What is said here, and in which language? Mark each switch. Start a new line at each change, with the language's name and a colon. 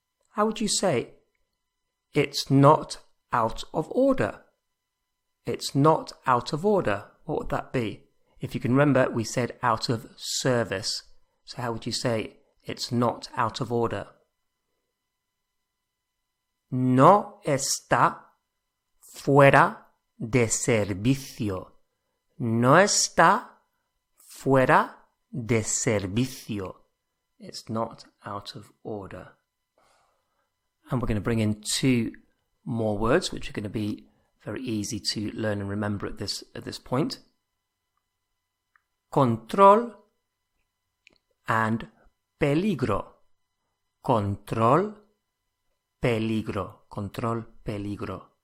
English: How would you say, it's not out of order? It's not out of order. What would that be? If you can remember, we said out of service. So how would you say it's not out of order?
Spanish: No está fuera de servicio. No está fuera de servicio.
English: It's not out of order. And we're going to bring in two more words, which are going to be very easy to learn and remember at this point. Control and peligro.
Spanish: Control, peligro. Control, peligro.